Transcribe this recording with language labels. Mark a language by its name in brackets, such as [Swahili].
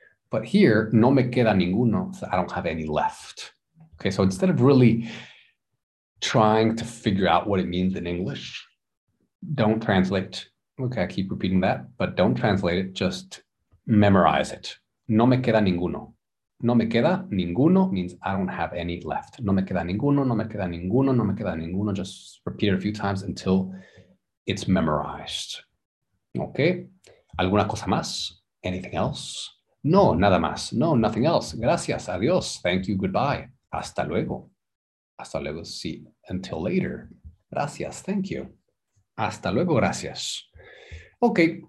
[English] But here, [Spanish] no me queda ninguno, [English] so I don't have any left. Okay, so instead of really trying to figure out what it means in English. Don't translate. Okay, I keep repeating that, but don't translate it. Just memorize it. [Spanish] No me queda ninguno. No me queda ninguno [English] means I don't have any left. [Spanish] No me queda ninguno, no me queda ninguno, no me queda ninguno. [English] Just repeat it a few times until it's memorized. [Spanish] Okay. ¿Alguna cosa más? [English] Anything else? [Spanish] No, nada más. [English] No, nothing else. [Spanish] Gracias. Adiós. [English] Thank you. Goodbye. [Spanish] Hasta luego. Hasta luego. [English] See. Until later. [Spanish] Gracias. [English] Thank you. [Spanish] Hasta luego. Gracias. Okay.